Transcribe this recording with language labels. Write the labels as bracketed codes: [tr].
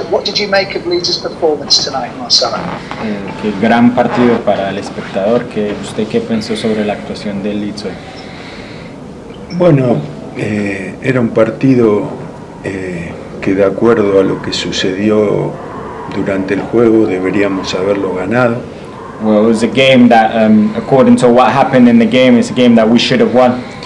[en] What did you make of Leeds' performance tonight, Marcelo? [es] Qué gran partido para el espectador. ¿Qué usted qué pensó sobre la actuación del Leeds hoy? Bueno, era un partido que, de acuerdo a lo que sucedió durante el juego, deberíamos haberlo ganado. [en] Well, it was a game that, according to what happened in the game, it's a game that we should have won.